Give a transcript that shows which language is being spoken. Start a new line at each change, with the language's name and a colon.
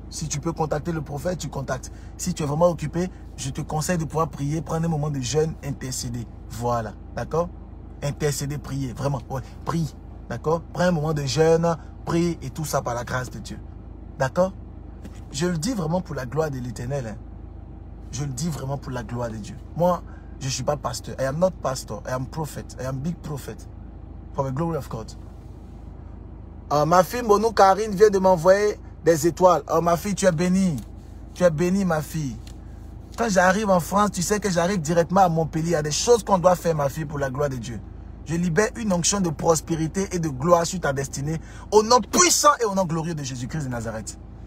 French: Si tu peux contacter le prophète, tu contactes. Si tu es vraiment occupé, je te conseille de pouvoir prier, prendre un moment de jeûne, intercéder. Voilà, d'accord? Intercéder, prier, vraiment, ouais, prie, d'accord? Prends un moment de jeûne, prie et tout ça par la grâce de Dieu, d'accord? Je le dis vraiment pour la gloire de l'Éternel, hein? Je le dis vraiment pour la gloire de Dieu. Moi, je ne suis pas pasteur.
English: I am not pastor, I am prophet, I am big prophet for the glory of God.
French: Ma fille Monou Karine vient de m'envoyer des étoiles. Ma fille, tu es bénie. Tu es bénie, ma fille. Quand j'arrive en France, tu sais que j'arrive directement à Montpellier. Il y a des choses qu'on doit faire, ma fille, pour la gloire de Dieu. Je libère une onction de prospérité et de gloire sur ta destinée au nom puissant et au nom glorieux de Jésus-Christ de Nazareth.